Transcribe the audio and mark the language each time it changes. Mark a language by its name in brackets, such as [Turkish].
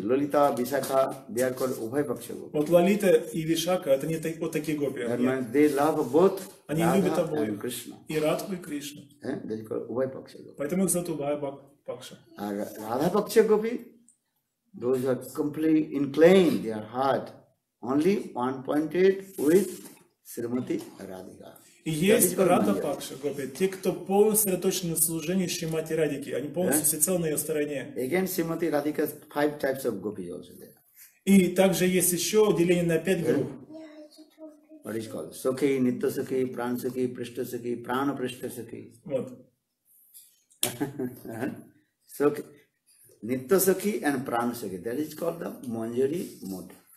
[English] Lalita, Vishakha, they are called Ubhai Paksha Gopi. [Russian] Вот Лалита и Вишака, это не так, вот такие гопи. [English] That means, they love both. [Russian] Они любят обоих. И Радху, и Кришну. [English] They call Ubhai Paksha Gopi. [Russian] Поэтому их зовут Ubhai Paksha. [English] А Radha Paksha Gopi? Those are completely inclined, they are hard. Only one-pointed with Srimati Radhika. [Russian] Есть Радха Пакша Гопи, те, кто полностью сосредоточены на служении Шримати Радхики, они полностью всецело на ее стороне. [English] Again, Srimati Radhika has five types of Gopi also there. [Russian] И также есть еще деление на пять групп. [English] What is called? Сокхи, Нитта Сокхи, Пран Сокхи, Пришта Сокхи, Прана Пришта Сокхи. [Russian] Вот. [English] Сокхи. Nitya Sakhi and Prana Sakhi. That is called the Manjari mode.